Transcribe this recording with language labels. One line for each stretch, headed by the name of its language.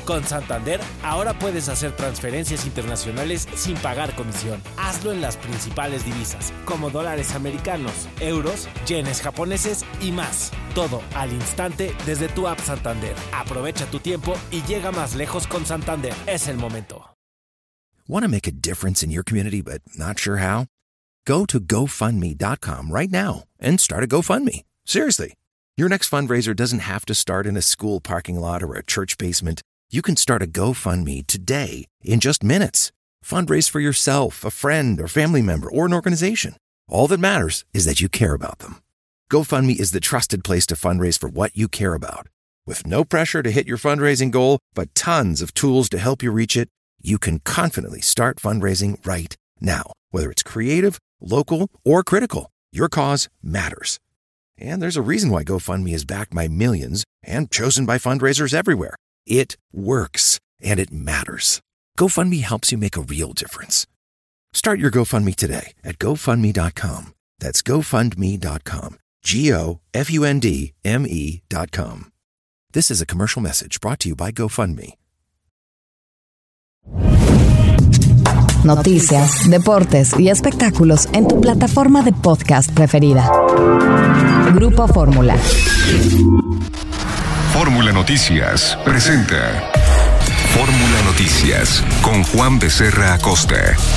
Spanish: Con Santander, ahora puedes hacer transferencias internacionales sin pagar comisión. Hazlo en las principales divisas, como dólares americanos, euros, yenes japoneses y más. Todo al instante desde tu app Santander. Aprovecha tu tiempo y llega más lejos con Santander. Es el momento.
English: Want to make a difference in your community but not sure how? Go to GoFundMe.com right now and start a GoFundMe. Seriously. Your next fundraiser doesn't have to start in a school parking lot or a church basement. You can start a GoFundMe today in just minutes. Fundraise for yourself, a friend, or family member, or an organization. All that matters is that you care about them. GoFundMe is the trusted place to fundraise for what you care about. With no pressure to hit your fundraising goal, but tons of tools to help you reach it, you can confidently start fundraising right now. Whether it's creative, local, or critical, your cause matters. And there's a reason why GoFundMe is backed by millions and chosen by fundraisers everywhere. It works, and it matters. GoFundMe helps you make a real difference. Start your GoFundMe today at GoFundMe.com. That's GoFundMe.com. GoFundMe.com. This is a commercial message brought to you by GoFundMe.
Spanish: Noticias, deportes y espectáculos en tu plataforma de podcast preferida. Grupo Fórmula. Fórmula Noticias presenta Fórmula Noticias con Juan Becerra Acosta.